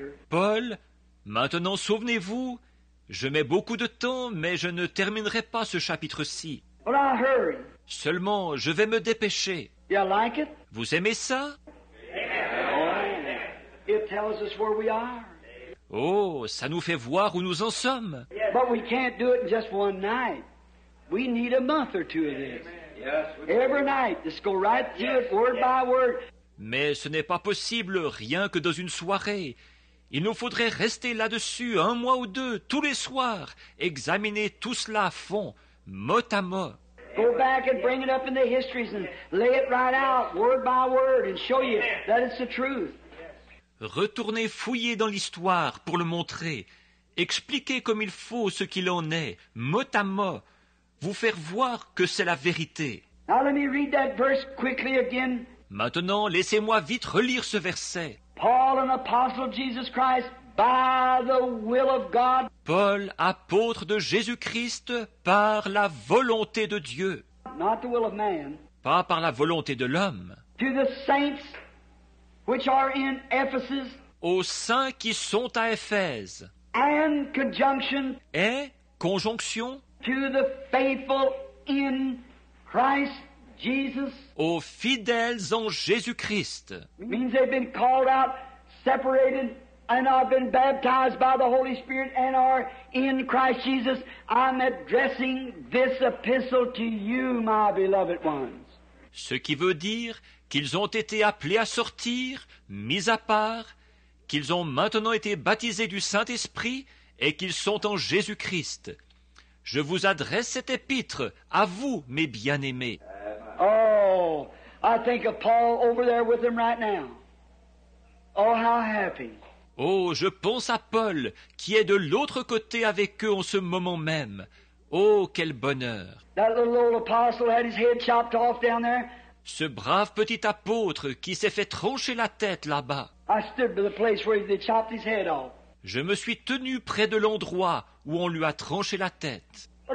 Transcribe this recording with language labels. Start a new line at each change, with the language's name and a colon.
French: Paul, maintenant souvenez-vous, je mets beaucoup de temps, mais je ne terminerai pas ce chapitre-ci.
English: Well, I'll hurry.
French: Seulement, je vais me dépêcher.
English: You like it?
French: Vous aimez ça?
English: Yeah. It tells us where we are.
French: Oh, ça nous fait voir où nous en sommes.
English: But we can't do it in just one night. We need a month or two of this. Yes, every night, just go right through it, word by word.
French: Mais ce n'est pas possible rien que dans une soirée. Il nous faudrait rester là-dessus un mois ou deux, tous les soirs, examiner tout cela à fond, mot à mot.
English: Go back and bring it up in the histories and lay it right out, word by word, and show you that it's the truth.
French: Retournez fouiller dans l'histoire pour le montrer. Expliquez comme il faut ce qu'il en est, mot à mot. Vous faire voir que c'est la vérité.
English: Now let me read that verse quickly again.
French: Maintenant, laissez-moi vite relire ce verset.
English: Paul, an apostle of Jesus Christ, by the will of God.
French: Paul, apôtre de Jésus-Christ, par la volonté de Dieu.
English: Not the will of man.
French: Pas par la volonté de l'homme.
English: To the saints which are in Ephesus,
French: aux saints qui sont à Éphèse,
English: and conjunction,
French: et conjonction,
English: to the faithful in Christ Jesus,
French: aux fidèles en Jésus-Christ.
English: Means they've been called out, separated, and have been baptized by the Holy Spirit and are in Christ Jesus. I'm addressing this epistle to you, my beloved ones.
French: Ce qui veut dire qu'ils ont été appelés à sortir, mis à part, qu'ils ont maintenant été baptisés du Saint-Esprit et qu'ils sont en Jésus-Christ. Je vous adresse cet épître à vous, mes bien-aimés.
English: Oh, I think of Paul over there with him right now. Oh, how happy.
French: Oh, je pense à Paul qui est de l'autre côté avec eux en ce moment même. Oh, quel bonheur.
English: That little old apostle had his head chopped off down there.
French: Ce brave petit apôtre qui s'est fait trancher la tête là-bas.
English: I stood by the place where they chopped his head off.
French: Je me suis tenu près de l'endroit où on lui a tranché la tête.